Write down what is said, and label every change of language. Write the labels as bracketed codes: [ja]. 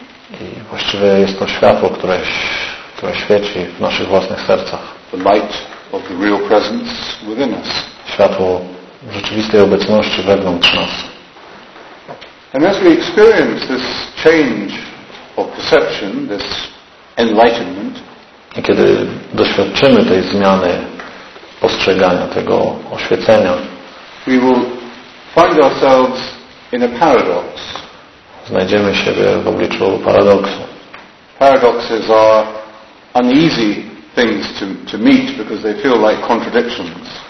[pl] I właściwie jest to światło, które świeci w naszych własnych sercach. [en] The light of the real presence within us. [pl] Światło rzeczywistej obecności wewnątrz nas. [en] And as we experience this change of perception, this enlightenment, [pl] i kiedy doświadczymy tej zmiany postrzegania, tego oświecenia, [en] we will find ourselves in a paradox. [pl] Znajdziemy siebie w obliczu paradoksu. [en] Paradoxes are uneasy things to meet because they feel like contradictions.